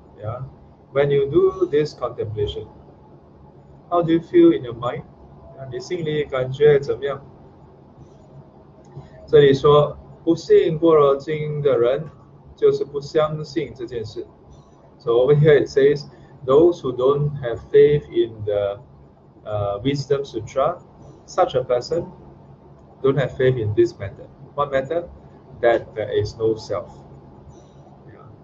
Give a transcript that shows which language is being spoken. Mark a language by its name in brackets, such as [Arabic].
[English] Yeah, when you do this contemplation, how do you feel in your mind? [Chinese] 你心里感觉怎么样? 这里说, 不信过了经的人, 就是不相信这件事. [English] So over here it says, those who don't have faith in the Wisdom Sutra, such a person don't have faith in this matter. What matter? That there is no self. Yeah.